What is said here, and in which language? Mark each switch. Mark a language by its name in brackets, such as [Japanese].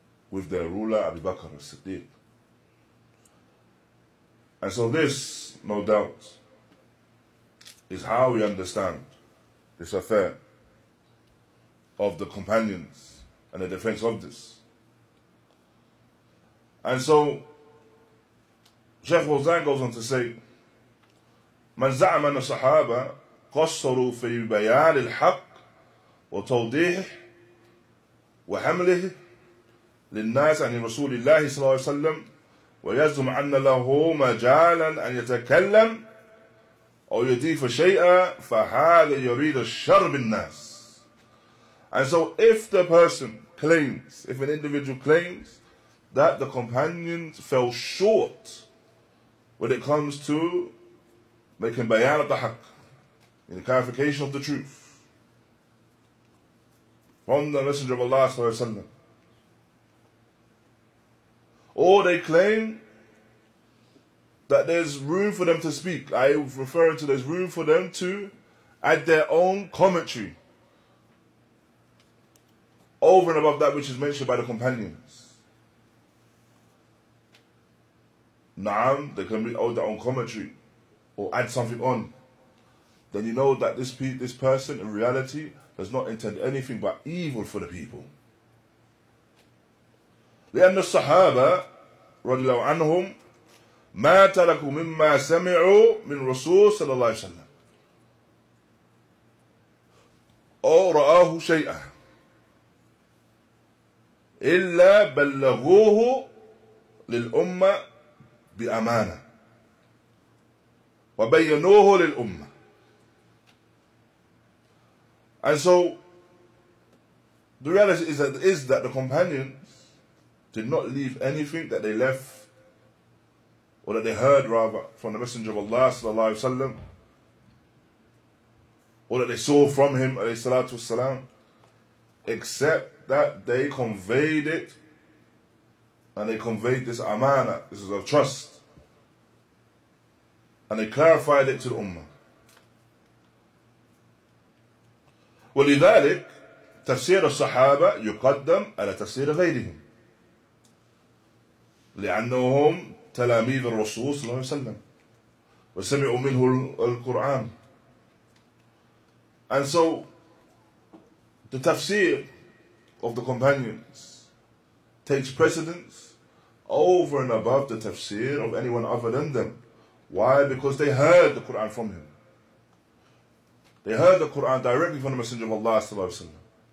[English] With their ruler, Abu Bakr al-Siddiq. And so this, no doubt, is how we understand this affair of the companions and the defense of this. And so, Sheikh Wazan goes on to say, [Arabic] من زعم أن الصحابة قصروا في بيان الحق وتوضيح وحمله للناس عن رسول الله صلى الله عليه وسلم ويزعم أن له مجالا أن يتكلم أو يضيف شيئا فهذا يريد الشر بالناس. [English] And so if the person claims, if an individual claims that the companions fell short when it comes to making bayan of the haqq, in the clarification of the truth from the Messenger of Allah sallallahu alaihi wasallam, or they claim that there's room for them to speak, I was referring to there's room for them to add their own commentary over and above that which is mentioned by the companions. Naam, they can add their own commentary or add something on, then you know that this person in reality does not intend anything but evil for the people. [Arabic] لأن الصحابة رضي الله عنهم ما تركوا مما سمعوا من رسول صلى الله عليه وسلم أو رآه شيئا إلا بلغوه للأمة بأمانة وبينوه للأمة. [English] And so, the reality is that the companions did not leave anything that they left, or that they heard rather, from the Messenger of Allah sallallahu alaihi wasallam, or that they saw from him alayhi salatu wasalam, except that they conveyed it, and they conveyed this amana, this is a trust, and they clarified it to the ummah. [Arabic] ولذلك تفسير الصحابة يقدم على تفسير غيرهم لأنهم تلاميذ الرسول صلى الله عليه وسلم وسمعوا منه القرآن. [English] And so the tafsir of the companions takes precedence over and above the tafsir of anyone other than them. Why? Because they heard the Quran from him. They heard the Quran directly from the Messenger of Allah sallallahu alaihi wasallam.